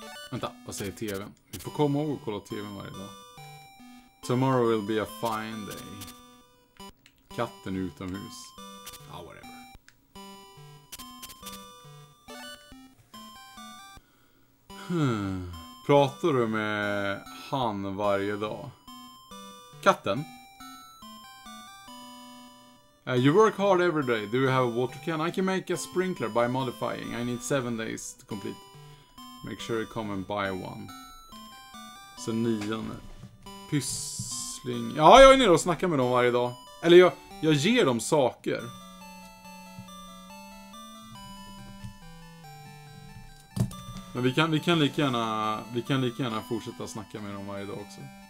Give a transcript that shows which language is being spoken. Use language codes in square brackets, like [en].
[sv] Vänta, vad säger TVn? Vi får komma ihåg och kolla TVn varje dag. [en] Tomorrow will be a fine day. [sv] Katten utomhus. Ja, ah, whatever. Pratar du med han varje dag? Katten? [en] You work hard every day. Do you have a water can? I can make a sprinkler by modifying. I need 7 days to complete. Make sure you come and buy one. [sv] Så nionde. Pyssling. Ja, jag är nere och snackar med dem varje dag. Eller jag ger dem saker. Men vi kan lika gärna fortsätta snacka med dem varje dag också.